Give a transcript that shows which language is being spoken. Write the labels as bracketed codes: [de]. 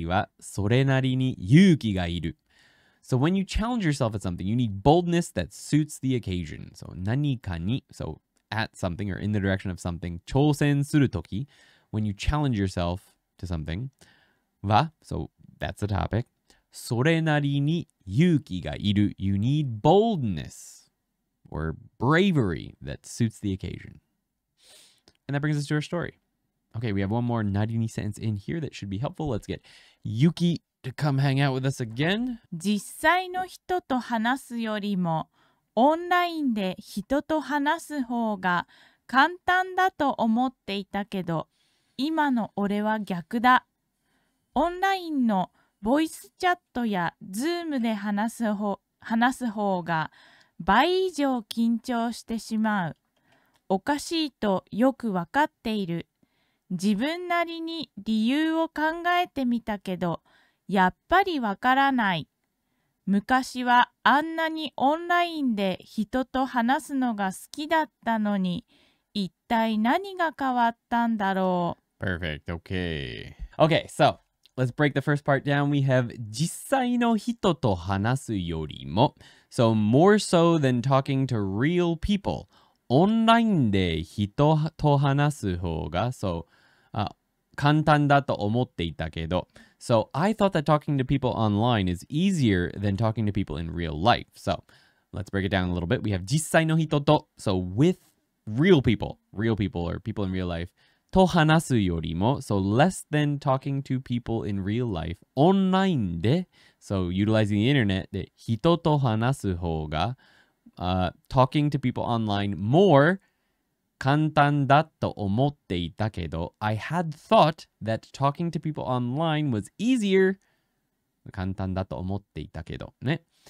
[ja] それなりに努力が必要です。何かに挑戦するときはそれなりに勇気がいる。 [en] So when you challenge yourself at something, you need boldness that suits the occasion. So [ja] 何かに, [en] so at something or in the direction of something, [ja] 挑戦するとき, [en] when you challenge yourself to something, は, so that's a topic, [ja] それなりに勇気がいる. [en] You need boldness or bravery that suits the occasion. And that brings us to our story. Okay, we have one more なりに sentence in here that should be helpful. Let's get Yuki to come hang out with us again. [ja] 実際の人と話すよりもオンラインで人と話す方が簡単だと思っていたけど、今の俺は逆だ。オンラインのボイスチャットやズームで話す方が 倍以上緊張してしまう。おかしいとよくわかっている。自分なりに理由を考えてみたけど、やっぱりわからない。昔はあんなにオンラインで人と話すのが好きだったのに、一体何が変わったんだろう。 [en] Perfect. Okay. Okay, so let's break the first part down. We have [ja] 実際の人と話すよりも。 [en] So more so than talking to real people. [ja] オンラインで人と話す方が、簡単だと思っていたけど。 [en] So, I thought that talking to people online is easier than talking to people in real life. So, let's break it down a little bit. We have [ja] 実際の人と、 [en] so with real people or people in real life, [ja] と話すよりも、 [en] so less than talking to people in real life, [ja] オンラインで、 [en] so utilizing the internet, [ja] で人と話す方が、 [en] talking to people online more [ja] 簡単だと思っていたけど [en] I had thought that talking to people online was easier [ja] 簡単だと思っていたけどね